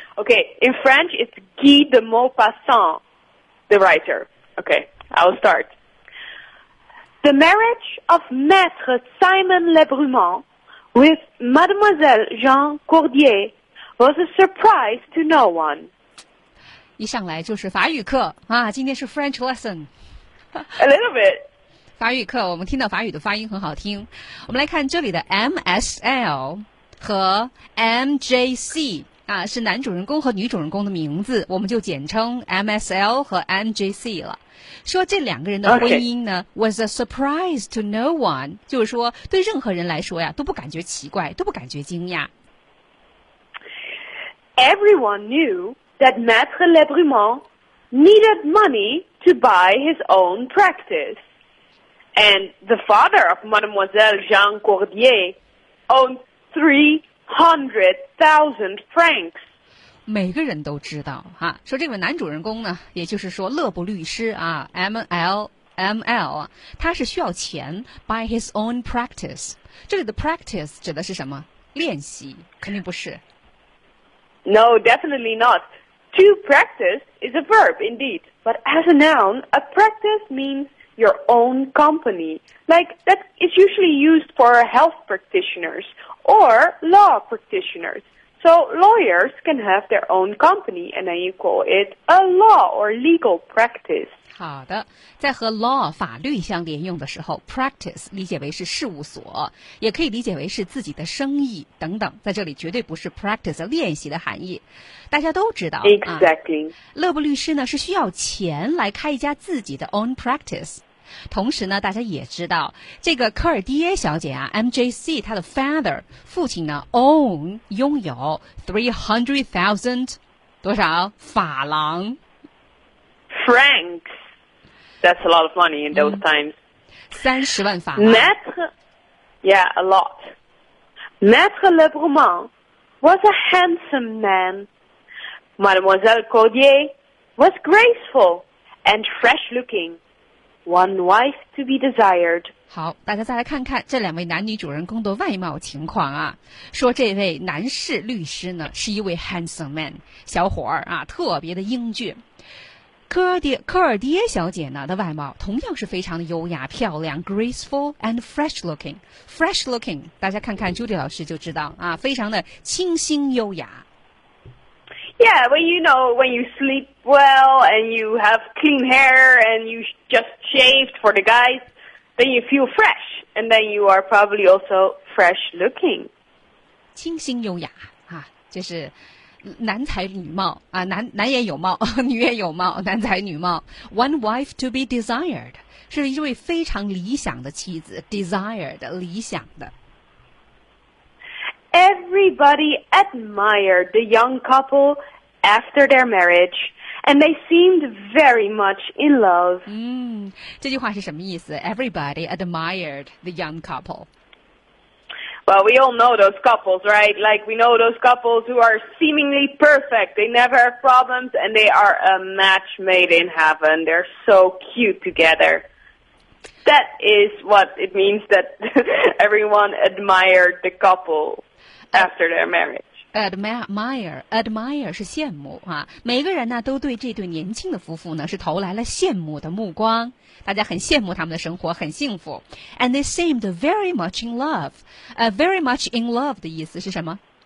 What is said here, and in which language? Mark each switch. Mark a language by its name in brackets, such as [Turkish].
[English] Okay, in French, it's Guy de Maupassant, the writer. Okay, I'll start. The marriage of Maître Simon Lebrument with Mademoiselle Jean Cordier was a surprise to no one. [Chinese] 一上来就是法语课啊，今天是 [English] French lesson. A little bit. [Chinese] 法语课，我们听到法语的发音很好听。我们来看这里的 MSL 和 MJC 啊，是男主人公和女主人公的名字，我们就简称 MSL 和 MJC 了。说这两个人的婚姻呢、 [English] okay. ， was a surprise to no one， [Chinese] 就是说对任何人来说呀，都不感觉奇怪，都不感觉惊讶。 [English] Everyone knew that Maître Lebrument needed money to buy his own practice. And the father of Mademoiselle Jean Cordier owned 300,000 francs. [Chinese] 每个人都知道哈、啊，说这位男主人公呢，也就是说勒布律师啊 ，MLML 啊，他是需要钱 [English] buy his own practice. [Chinese] 这里的 practice 指的是什么？练习？肯定不是。 [English] No, definitely not. To practice is a verb indeed, but as a noun, a practice means. Your own company, like that is usually used for health practitioners or law practitioners. So lawyers can have their own company, and then you call it a law or legal practice. [Chinese] 好的，在和 law 法律相连用的时候 ，practice 理解为是事务所，也可以理解为是自己的生意等等。在这里绝对不是 practice 练习的含义。大家都知道 [English] ，exactly、啊。 [Chinese] 勒布律师呢是需要钱来开一家自己的 [English] own practice。 [Chinese] 同时呢，大家也知道，这个科尔迪耶小姐啊 ，MJC 她的 father 父亲呢 ，own 拥有 300,000 多少法郎 [English] ，francs。 That's a lot of money in those times. [Chinese] 30万法郎。 [English] Maître, yeah, a lot. Maître Lebrument was a handsome man. Mademoiselle Cordier was graceful and fresh-looking. One wife to be desired. [Chinese] 好，大家再来看看这两位男女主人公的外貌情况啊。说这位男士律师呢，是一位 [English] handsome man， [Chinese] 小伙儿啊，特别的英俊。科尔迪耶小姐呢的外貌同样是非常的优雅漂亮 [English] graceful and fresh looking [Chinese] fresh looking 大家看看 Judy 老师就知道啊，非常的清新优雅。 [English] Yeah, when you know, when you sleep well and you have clean hair and you just shaved for the guys, then you feel fresh. And then you are probably also fresh looking. [Chinese] 清新优雅啊，就是男才女貌啊，男也有貌，女也有貌，男才女貌。 [English] One wife to be desired [Chinese] 是一位非常理想的妻子 ，desired 理想的。 [English] Everybody admired the young couple after their marriage, and they seemed very much in love. [Chinese] 这句话是什么意思 [English] ？Everybody admired the young couple. Well, we all know those couples, right? Like, we know those couples who are seemingly perfect. They never have problems, and they are a match made in heaven. They're so cute together. That is what it means that everyone admired the couple after their marriage. [Chinese] Admire 是羡慕啊，每个人呢都对这对年轻的夫妇呢是投来了羡慕的目光，大家很羡慕他们的生活，很幸福。 [English] And they seemed very much in love. Very much in love [Chinese] 的意思是什么？